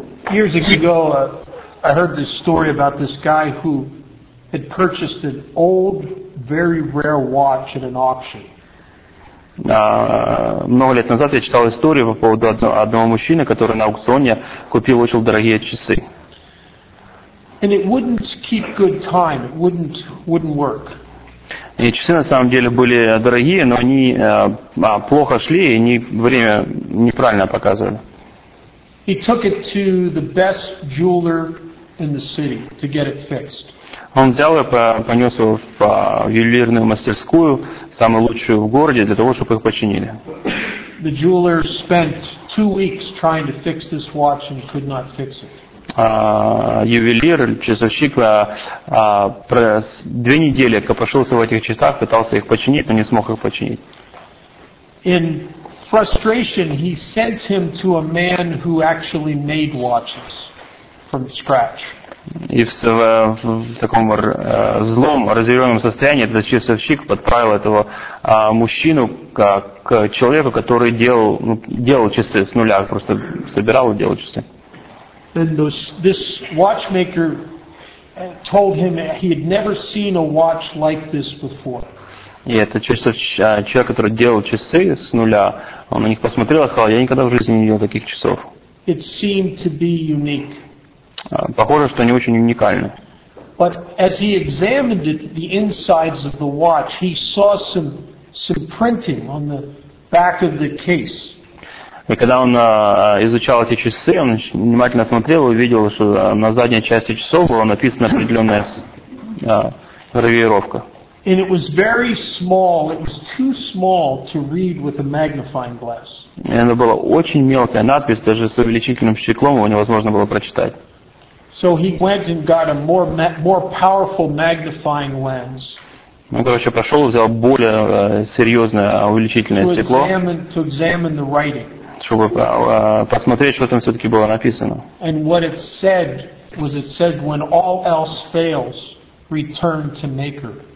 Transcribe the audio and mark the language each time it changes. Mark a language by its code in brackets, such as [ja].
[en] Years ago, I heard this story about this guy who had purchased an old, very rare watch at an auction. [ru] Много лет назад я читал историю по поводу одного мужчины, который на аукционе купил очень дорогие часы. [en] And it wouldn't keep good time. It wouldn't work. [ru] И часы на самом деле были дорогие, но они плохо шли и не время неправильно показывали. [en] He took it to the best jeweler in the city to get it fixed. [ru] Он взял его, понес его в ювелирную мастерскую, самую лучшую в городе, для того, чтобы их починили. [en] The jeweler spent 2 weeks trying to fix this watch and could not fix it. [ru] Ювелир, часовщик, две недели копошился в этих часах, пытался их починить, но не смог их починить. [en] In frustration, he sent him to a man who actually made watches from scratch. [ru] И в таком злом, разъяренном состоянии этот часовщик подправил этого мужчину к человеку, который делал часы с нуля, просто собирал и делал часы. [en] And this watchmaker told him he had never seen a watch like this before. [ru] И этот человек, который делал часы с нуля, он на них посмотрел и сказал, я никогда в жизни не видел таких часов. [en] It seemed to be unique. [ru] Похоже, что они очень уникальны. [en] But as he examined it, the insides of the watch, he saw some printing on the back of the case. [ru] И когда он изучал эти часы, он внимательно смотрел и увидел, что на задней части часов была написана определенная гравировка. [en] And it was very small. It was too small to read with a magnifying glass. [ru] И это была очень мелкая надпись, даже с увеличительным стеклом его невозможно было прочитать. [en] So he went and got a more powerful magnifying lens. [ru] Он, короче, пошел и взял более серьезное увеличительное стекло, [en] to examine the writing. [ru] Чтобы посмотреть, что там все-таки было написано. [en] And what it said was it said, when all else fails, return to maker.